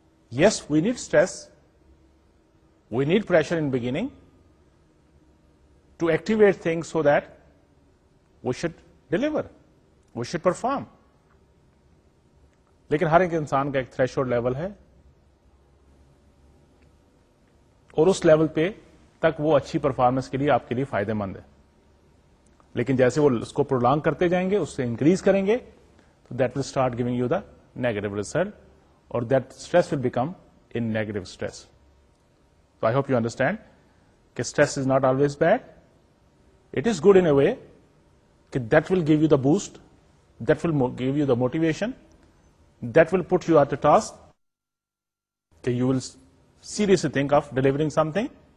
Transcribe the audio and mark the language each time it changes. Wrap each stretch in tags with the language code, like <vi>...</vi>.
<en>Yes, we need stress, we need pressure in beginning to activate things so that we should deliver, we should perform.</en> <ur>لیکن ہر ایک انسان کا ایک threshold level ہے اور اس level پہ تک وہ اچھی پرفارمنس کے لیے آپ کے لیے فائدہ مند ہے, لیکن جیسے وہ اس کو پرولانگ کرتے جائیں گے, اس سے انکریز کریں گے,</ur> <en>تو that will start giving you the negative result. Or that stress will become a negative stress. So I hope you understand that stress is not always bad. It is good in a way that will give you the boost, that will give you the motivation, that will put you at the task, that you will seriously think of delivering something.</en>